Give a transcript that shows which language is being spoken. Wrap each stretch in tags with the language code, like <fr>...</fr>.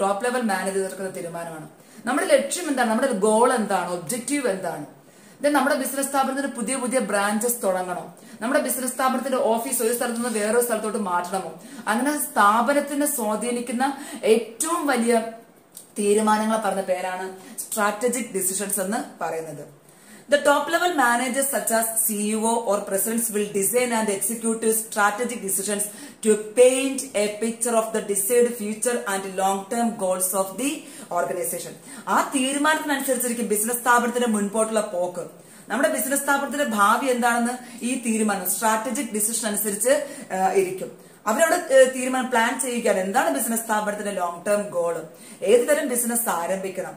<ml>Top level മാനേജർക്കുന്ന തീരുമാനമാണ്. നമ്മുടെ ലക്ഷ്യം എന്താണ്, നമ്മുടെ ഗോൾ എന്താണ്, ഒബ്ജക്റ്റീവ് എന്താണ്, ദെൻ നമ്മുടെ ബിസിനസ് സ്ഥാപനത്തിന് പുതിയ പുതിയ ബ്രാഞ്ചസ് തുടങ്ങണോ, നമ്മുടെ ബിസിനസ് സ്ഥാപനത്തിന്റെ ഓഫീസ് ഒരു സ്ഥലത്ത് നിന്ന് വേറൊരു സ്ഥലത്തോട്ട് മാറ്റണമോ, അങ്ങനെ സ്ഥാപനത്തിനെ സ്വാധീനിക്കുന്ന ഏറ്റവും വലിയ തീരുമാനങ്ങൾ പറഞ്ഞ പേരാണ് സ്ട്രാറ്റജിക് ഡിസിഷൻസ് എന്ന് പറയുന്നത്.</ml> <en>The top level managers such as CEO or presidents will design and execute strategic decisions to paint a picture of the desired future and long term goals of the organization.</en> <ml>ആ തീരുമാനത്തിനനുസരിച്ചിരിക്കും business സ്ഥാപനത്തിന്റെ മുൻപോട്ടുള്ള പോക്ക്. നമ്മുടെ business സ്ഥാപനത്തിന്റെ ഭാവി എന്താണെന്ന് ഈ തീരുമാനം strategic decision അനുസരിച്ച് ഇരിക്കും. അവരവിടെ തീരുമാനം പ്ലാൻ ചെയ്യുകയാണ് എന്താണ് ബിസിനസ് സ്ഥാപനത്തിന്റെ ലോങ് ടേം ഗോൾ, ഏത് തരം ബിസിനസ് ആരംഭിക്കണം.</ml>